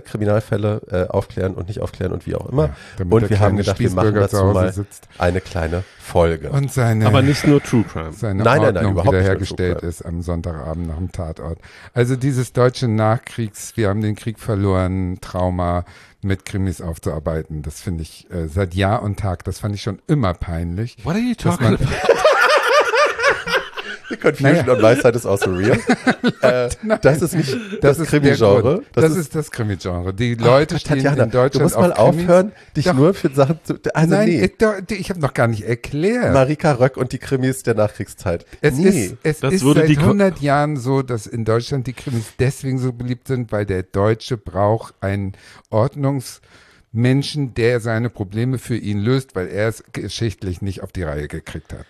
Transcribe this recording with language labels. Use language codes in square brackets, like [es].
[de] Kriminalfälle aufklären und nicht aufklären und wie auch immer. Ja, und wir haben gedacht, wir machen dazu mal eine kleine Folge. Und seine, aber nicht nur True Crime. Seine Ordnung wiederhergestellt ist am Sonntagabend nach dem Tatort. Also dieses deutsche Nachkriegs, wir haben den Krieg verloren, Trauma mit Krimis aufzuarbeiten, das finde ich seit Jahr und Tag, das fand ich schon immer peinlich. [en] What are you talking about? Confusion on my side is also real. [de] das ist Krimi-Genre. Das ist das Krimi-Genre. Die Leute stehen in Deutschland auf Krimis. Du musst mal aufhören, dich nur für Sachen zu... Ich habe noch gar nicht erklärt. Marika Röck und die Krimis der Nachkriegszeit. Es ist seit 100 Jahren so, dass in Deutschland die Krimis deswegen so beliebt sind, weil der Deutsche braucht einen Ordnungsmenschen, der seine Probleme für ihn löst, weil er es geschichtlich nicht auf die Reihe gekriegt hat.